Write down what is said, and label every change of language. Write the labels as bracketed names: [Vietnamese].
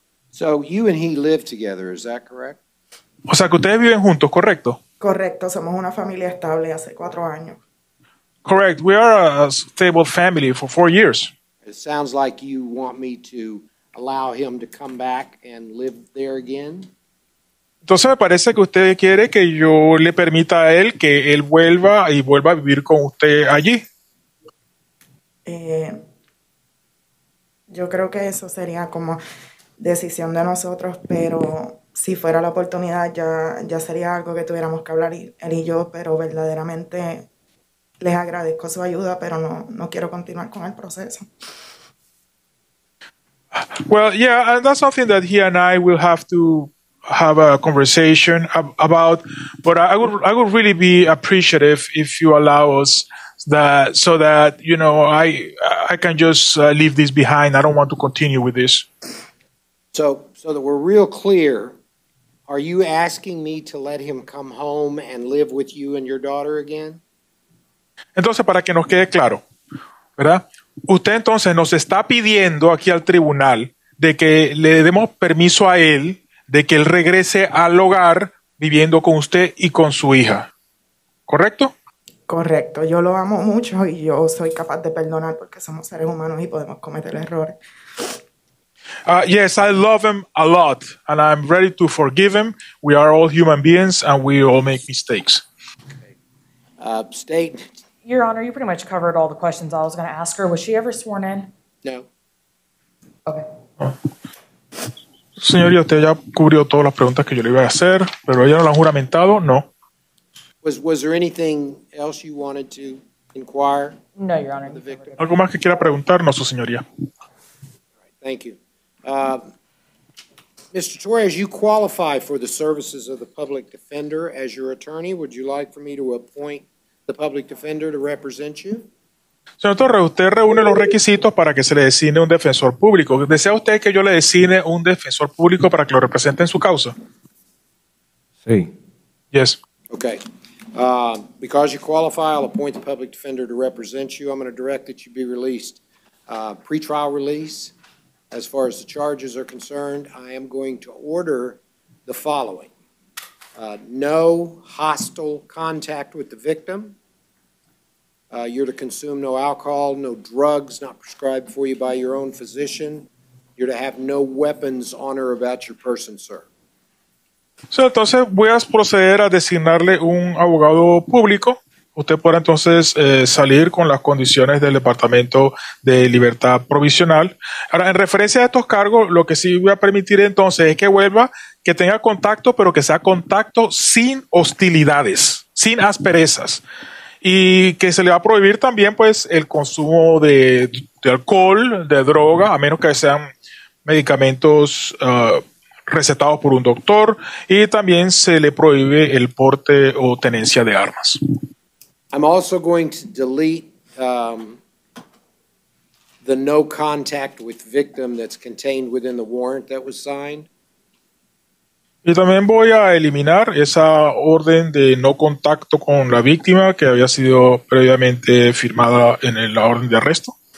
[English] So you and he live together, is that correct? [Spanish] O sea, que ustedes viven juntos, ¿correcto? Correcto, somos una familia estable hace 4 años. [English] Correct. We are a stable family for 4 years. It sounds like you want me to allow him to come back and live there again. [Spanish] Entonces me parece que usted quiere que yo le permita a él que él vuelva y vuelva a vivir con usted allí. Yo creo que eso sería como decisión de nosotros, pero si fuera la oportunidad ya sería algo que tuviéramos que hablar él y yo, pero verdaderamente les agradezco su ayuda, pero no quiero continuar con el proceso. [English] Well, yeah, and that's something that he and I will have to have a conversation about, but I would really be appreciative if you allow us that, so that, you know, I can just leave this behind. I don't want to continue with this. So that we're real clear, are you asking me to let him come home and live with you and your daughter again? [Spanish] Entonces, para que nos quede claro, ¿verdad? Usted entonces nos está pidiendo aquí al tribunal de que le demos permiso a él de que él regrese al hogar viviendo con usted y con su hija, ¿correcto? Correcto. Yo lo amo mucho y yo soy capaz de perdonar porque somos seres humanos y podemos cometer errores. [English] Yes, I love him a lot and I'm ready to forgive him. We are all human beings and we all make mistakes. State. Your Honor, you pretty much covered all the questions I was going to ask her. Was she ever sworn in? No. Okay. [Spanish] Señoría, usted ya cubrió todas las preguntas que yo le iba a hacer, pero ella no la ha juramentado, no. [English] Was there anything else you wanted to inquire? No, Your Honor. The victim? [Spanish] ¿Algo más que quiera preguntar? No, su señoría. [English] Thank you. Mr. Torres, you qualify for the services of the public defender as your attorney. Would you like for me to appoint the public defender to represent you? [Spanish] Señor Torres, usted reúne los requisitos para que se le designe un defensor público. ¿Desea usted que yo le designe un defensor público para que lo represente en su causa? Sí. [English] Yes. Okay. Because you qualify, I'll appoint the public defender to represent you. I'm going to direct that you be released. Pre-trial release, as far as the charges are concerned, I am going to order the following. No hostile contact with the victim. You're to consume no alcohol, no drugs, not prescribed for you by your own physician. You're to have no weapons on or about your person, sir. [Spanish] So, entonces, voy a proceder a designarle un abogado público. Usted podrá entonces salir con las condiciones del Departamento de Libertad Provisional. Ahora, en referencia a estos cargos, lo que sí voy a permitir entonces es que vuelva, que tenga contacto, pero que sea contacto sin hostilidades, sin asperezas. Y que se le va a prohibir también, pues, el consumo de alcohol, de droga, a menos que sean medicamentos recetados por un doctor. Y también se le prohíbe el porte o tenencia de armas. [English] I'm also going to delete the no contact with victim that's contained within the warrant that was signed. [Spanish] Y también voy a eliminar esa orden de no contacto con la víctima que había sido previamente firmada en la orden de arresto.